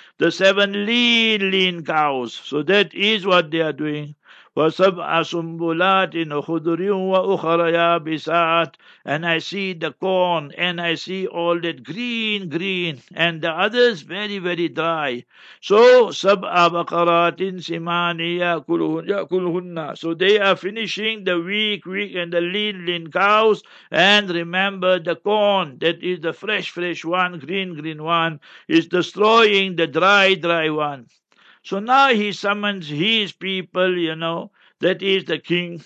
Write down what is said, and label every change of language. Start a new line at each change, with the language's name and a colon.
English: The 7 lean cows. So that is what they are doing.
Arabic: وَسَبْعَ سُنْبُلَاتٍ خُدْرٍ وَأُخَرَ يَابِسَاتٍ.
English: And I see the corn, and I see all that green, and the others very, very dry.
Arabic: So, سَبْعَ بَقَرَاتٍ سِمَانِيَ كُلُهُنَّ.
English: So they are finishing the weak, and the lean cows, and remember the corn, that is the fresh one, green one, is destroying the dry one. So now he summons his people, you know, that is the king.